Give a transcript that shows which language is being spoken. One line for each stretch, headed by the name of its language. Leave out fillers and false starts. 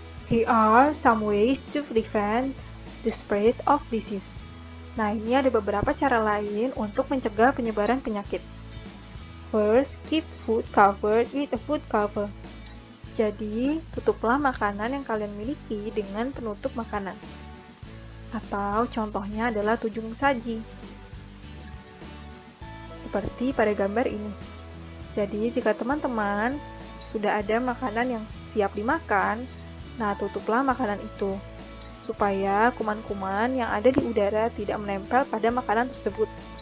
English: Here are some ways to prevent the spread of disease.
Indonesian: Nah, ini ada beberapa cara lain untuk mencegah penyebaran penyakit.
English: First, keep food covered with a food cover.
Indonesian: Jadi, tutuplah makanan yang kalian miliki dengan penutup makanan. Atau contohnya adalah tudung saji. Seperti pada gambar ini. Jadi, jika teman-teman sudah ada makanan yang siap dimakan, nah, tutuplah makanan itu, supaya kuman-kuman yang ada di udara tidak menempel pada makanan tersebut.